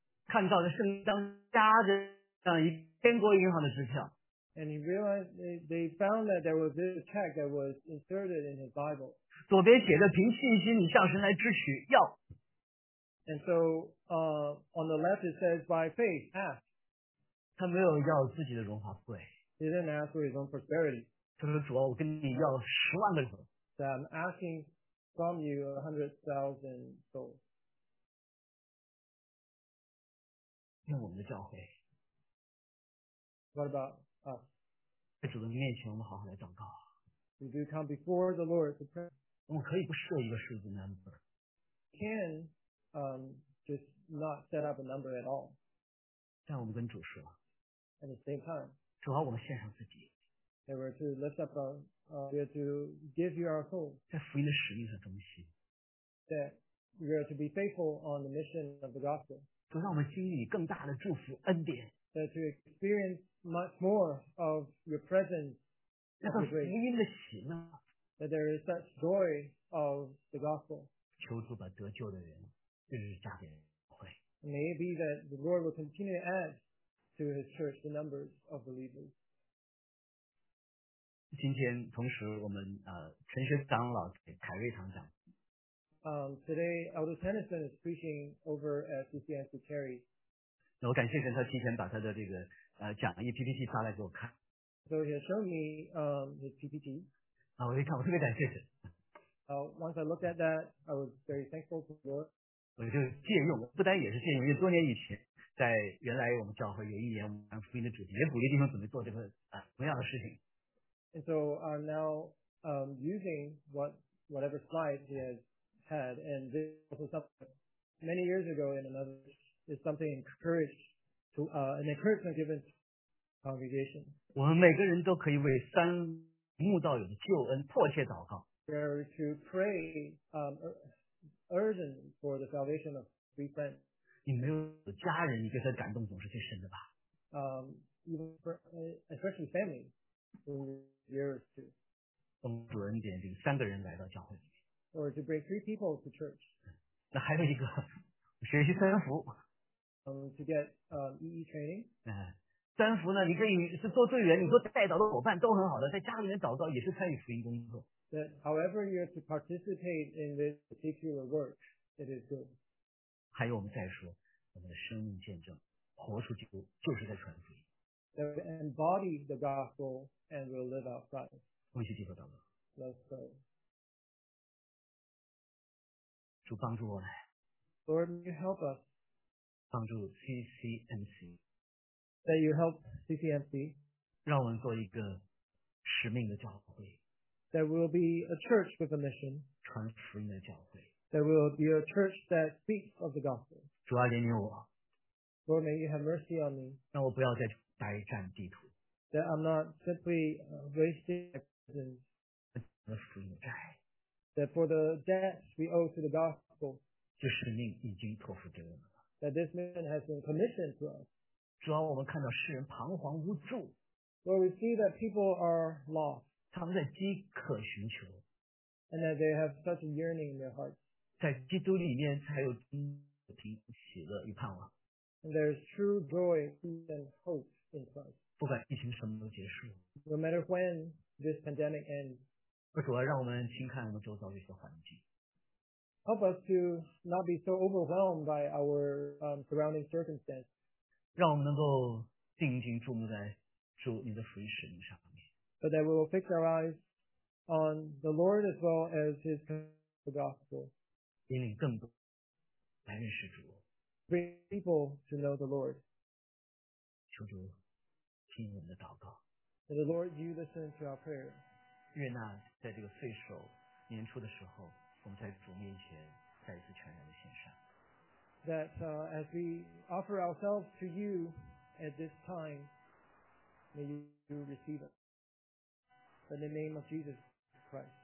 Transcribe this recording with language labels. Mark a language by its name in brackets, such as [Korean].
[Chinese] 看到了圣经夹着像一天国银行的支票。 [English] And he realized they found that there was this check that was inserted in his Bible. [Chinese] 左边写着凭信心你向神来支取要。 [English] And so, on the left it says by faith, ask. [Chinese] 他没有要自己的荣华富贵。 [English] He didn't ask for his own prosperity. [Chinese] 他说主啊我跟你要 [English] 100,000 souls. So I'm asking from you 100,000 souls. [Chinese] 用我们的教会。 [English] What about us? [Chinese] 在主的面前我们好好来祷告。 [English] We do come before the Lord to pray. [Chinese] 我们可以不设一个数字 number. [English] Can just not set up a number at all. [Chinese] 但我们跟主说。 [English] At the same time. [Chinese] 主要我们献上自己。 [English] They were to lift up our, we're to give you our soul. [Chinese] 在福音的使命和中心。 [English] That we're to be faithful on the mission of the gospel. [Chinese] 主让我们经历更大的祝福恩典。 [English] That to experience much more of your presence. [Chinese] 那个福音的喜乐。 [English] That there is such joy of the gospel. [Chinese] 求主把得救的人日日加给会。 [English] May it be that the Lord will continue to add. To his church, the numbers of believers. [Chinese] 今天同时我们陈学长老在凯瑞堂讲。 [English] Today, Elder Tennyson is preaching over at CCNC Cary. [Chinese] 那我感谢神，他提前把他的这个讲义 PPT 发来给我看。 [English] So he showed me his PPT. [Chinese] 啊，我一看，我特别感谢神。 [English] Once I looked at that, I was very thankful to the Lord. [Chinese] 我就借用，不单也是借用，因为多年以前。在原来我们教会有一年我们福音的主题也鼓励弟兄姊妹做这个同样的事情。 [English] And so I'm now using whatever slide he has had, and this is also something many years ago in another church, is something encouraged to, an encouragement given to the congregation. [Chinese] 我们每个人都可以为三慕道友的救恩迫切祷告。 [English] We are to pray, urgent for the salvation of three friends. [Chinese] 你没有家人，你对他感动总是最深的吧？ [English] Even for, especially family, in years too. [Chinese] 从主恩典里三个人来到教会。 [English] Or to bring three people to church. [Chinese] 那还有一个，学习三福。 [English] To get EE training. [Chinese] 三福呢，你可以是做队员，你做带导的伙伴都很好的，在家里面祷告也是参与福音工作。 [English] That however you have to participate in this particular work, it is good. [Chinese] 还有我们再说，我们的生命见证，活出基督，就是在传福音。 [English] That we embody the gospel and will live out Christ. [Chinese] 我们一起低头祷告。 [English] Let's go. [Chinese] 主帮助我们。 [English] Lord, may you help us. [Chinese] 帮助 CCMC。 [English] That you help CCMC. [Chinese] 让我们做一个使命的教会。 [English] There will be a church with a mission. [Chinese] 传福音的教会。 [English] There will be a church that speaks of the gospel. [Chinese] 主啊，怜悯我。 [English] Lord, may you have mercy on me. [Chinese] 让我不要再白占地图。 [English] That I'm not simply wasting my presence. [Chinese] 的福音债。 [English] That for the debts we owe to the gospel. [Chinese] 这使命已经托付给我们了。 [English] That this mission has been commissioned to us. [Chinese] 主啊，我们看到世人彷徨无助。 [English] Lord, we see that people are lost. [Chinese] 他们在饥渴寻求 [English] ，and that they have such a yearning in their hearts. [Chinese] 在基督里面才有真的平安、喜乐与盼望。 [English] And there is true joy and hope in Christ. [Chinese] 不管疫情什么时候结束 [English] ，no matter when this pandemic ends. [Chinese] 主要让我们轻看我们周遭的一些环境。 [English] Help us to not be so overwhelmed by our surrounding circumstances. [Chinese] 让我们能够定睛注目在主你的福音使命上。 [English] But that we will fix our eyes on the Lord as well as His gospel. [Chinese] 引领更多来认识主。 [English] Bring people to know the Lord. [Chinese] 求主听我们的祷告。 [English] And the Lord, you listen to our prayer. [Chinese] 愿那在这个岁首年初的时候，我们在主面前再一次全然的献上。 [English] That as we offer ourselves to you at this time, may you receive us.In the name of Jesus Christ.